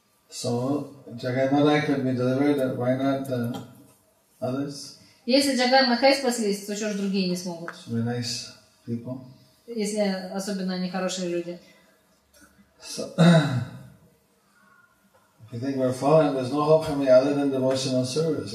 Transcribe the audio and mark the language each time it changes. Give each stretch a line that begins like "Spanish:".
English: So, Jagai Madhai can be delivered, why not the others?
Russian: Если Jagai Madhai спаслись, то что ж другие не смогут?
English: Very nice people.
Russian: Если особенно они хорошие люди.
English: So, if you think we're fallen, there's no hope for me other than devotional service.